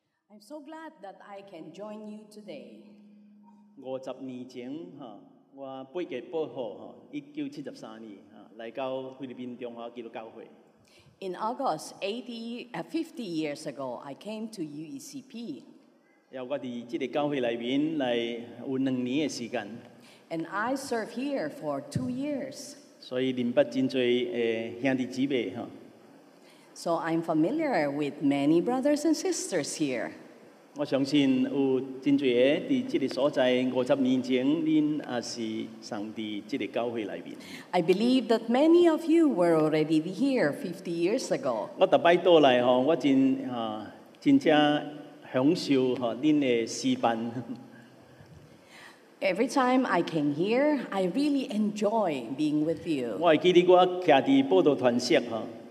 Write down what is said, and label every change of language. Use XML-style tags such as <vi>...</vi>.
<en>I'm so glad that I can join you today.</en> <nan>50年前哈，我八月八号哈，1973年哈，来到菲律宾中华基督教会。</nan> <en>In August 50 years ago, I came to UECP.</en> <nan>我伫这个教会里面来有2年的时间。</nan> <en>And I serve here for 2 years.</en> <nan>所以认识真多兄弟姊妹哈。</nan> <en>So I'm familiar with many brothers and sisters here.</en> <nan>我相信有真多在这个所在50年前，您也是上帝这个教会里面。</nan> <en>I believe that many of you were already here 50 years ago.</en> <nan>我每次到来，我真正享受您的诗班。</nan> <en>Every time I came here, I really enjoy being with you.</en> <nan>我还记得我徛在报道团室哈。</nan>